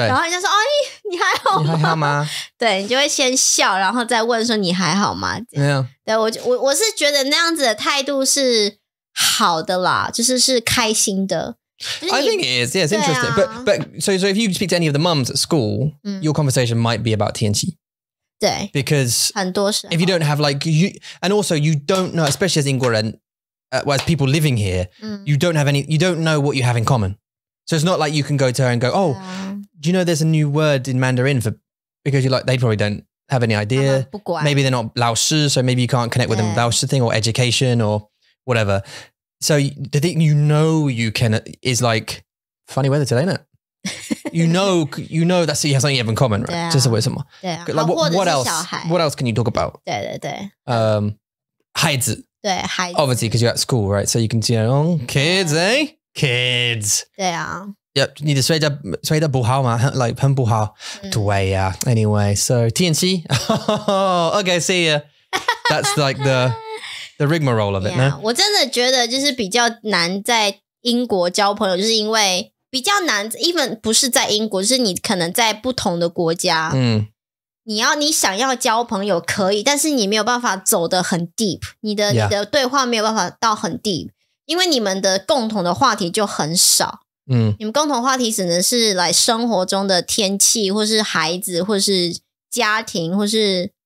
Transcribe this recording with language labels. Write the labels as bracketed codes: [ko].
[zh] 然后人家说,哦,你还好吗? 你还好吗? 对,你就会先笑,然后再问说你还好吗?对啊。对,我是觉得那样子的态度是好的啦，就是是开心的。 [en] I think it is. Yeah, it's interesting. But so if you speak to any of the mums at school, your conversation might be about 天气。 [zh] 对。 [en] Because [zh] 很多时候 [en] if you don't have like you, and also you don't know, especially as 英国人, as people living here, you don't have any, you don't know what you have in common. So it's not like you can go to her and go, oh, do you know there's a new word in Mandarin for, because you're like, they probably don't have any idea. Maybe they're not 老师, so maybe you can't connect with them 老师 thing or education or... whatever. So the thing you know you can is like funny weather today, isn't it? You know that's you have something you have in common, right? [zh] 这是为什么? 对啊, like, [en] what else can you talk about? [zh] 对对对。孩子。对,孩子。 [en] Obviously, because you're at school, right? So you can see, oh, kids, eh? Kids. [zh] 对啊。 Yep, 你的睡得不好吗?Like, 很不好。对啊。 [en] Anyway, so 天气。Okay, see ya. That's like the rigmarole of it, yeah, no? [zh] 我真的觉得就是比较难在英国交朋友就是因为比较难 even 不是在英国就是你可能在不同的国家你想要交朋友可以但是你没有办法走得很 deep 你的对话没有办法到很 deep 因为你们的共同的话题就很少你们共同话题只能是来生活中的天气或是孩子或是家庭或是